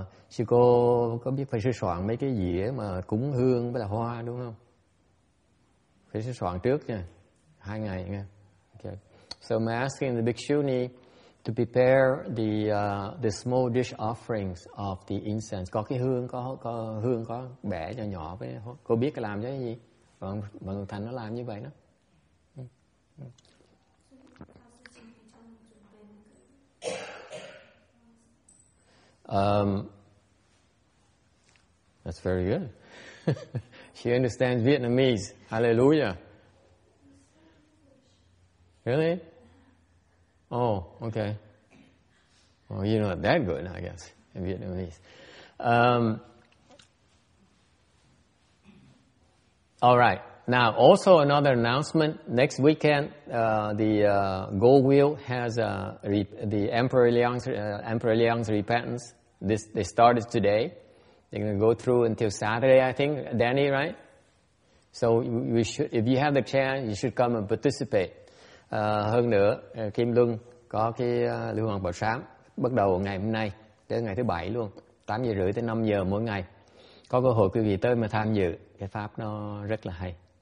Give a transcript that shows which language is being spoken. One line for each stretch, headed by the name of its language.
Vietnamese: Sư cô có biết phải sửa soạn mấy cái dĩa mà cúng hương với là hoa đúng không? Phải sửa soạn trước nha, hai ngày nha.
English: Okay. So I'm asking the bhikshuni to prepare the small dish offerings of the incense.
Vietnamese: Có cái hương, có hương, có bẻ nhỏ nhỏ với cô biết làm cái gì? Bằng thành nó làm như vậy đó.
English: That's very good. She understands Vietnamese. Hallelujah. Really? Oh, okay. Well, you're not that good, I guess, in Vietnamese. All right. Now, also another announcement. Next weekend, Gold Wheel has Emperor Liang's repentance. They started today. They're going to go through until Saturday, I think, Danny, right? So we should, if you have the chance, you should come and participate.
Vietnamese: Hơn nữa, Kim Luân có cái Lưu Hoàng Bảo Sám bắt đầu ngày hôm nay, tới ngày thứ bảy luôn, 8 giờ rưỡi tới 5 giờ mỗi ngày. Có cơ hội quý vị tới mà tham dự, cái pháp nó rất là hay.